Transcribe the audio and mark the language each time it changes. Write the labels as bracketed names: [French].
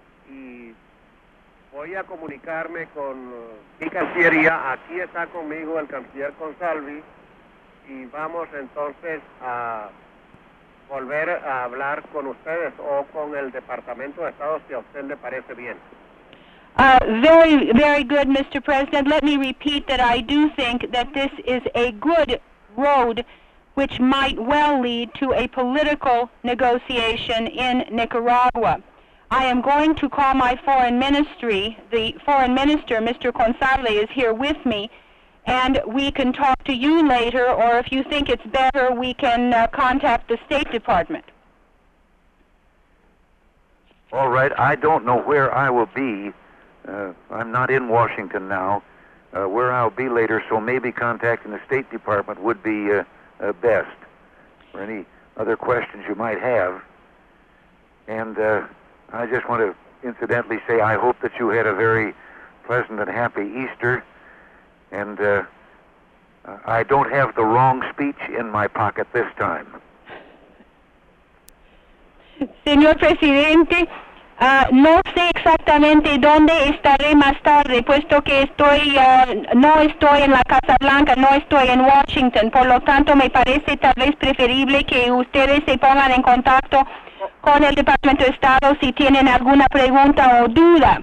[Spanish] Y voy a comunicarme con mi cancillería. Aquí está conmigo el canciller Consalvi. Y vamos entonces a volver a hablar con ustedes o con el Departamento de Estado, si a usted le parece bien. [English] Very, very good, Mr. President. Let me repeat that I do think that this is a good road which might well lead to a political negotiation in Nicaragua. I am going to call my foreign ministry, the foreign minister, Mr. Consalvi, is here with me, and we can talk to you later, or if you think it's better, we can contact the State Department. All right. I don't know where I will be. I'm not in Washington now, where I'll be later, so maybe contacting the State Department would be best for any other questions you might have. And I just want to incidentally say I hope that you had a very pleasant and happy Easter. And I don't have the wrong speech in my pocket this time. [Spanish] Señor Presidente, no sé exactamente dónde estaré más tarde, puesto que no estoy en la Casa Blanca, no estoy en Washington. Por lo tanto, me parece tal vez preferible que ustedes se pongan en contacto con el Departamento de Estado si tienen alguna pregunta o duda.